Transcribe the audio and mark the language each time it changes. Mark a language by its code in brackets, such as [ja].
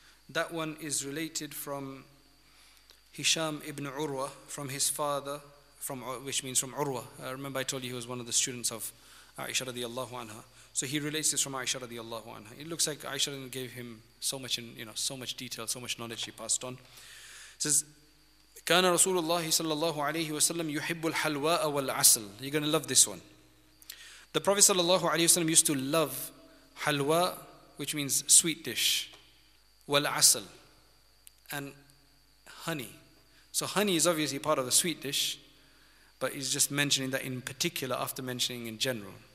[en] That one is related from Hisham ibn Urwa, from his father, which means from Urwa. Remember I told you he was one of the students of Aisha radiallahu anha. So he relates this from Aisha radiallahu anha. It looks like Aisha gave him so much so much detail, so much knowledge she passed on. It says, [ar] كان رسول الله صلى الله عليه وسلم يحب الحلواء والعسل. [en] You're going to love this one. The Prophet صلى الله عليه وسلم used to love halwa, which means sweet dish, والعسل, and honey. So honey is obviously part of the sweet dish, but he's just mentioning that in particular after mentioning in general.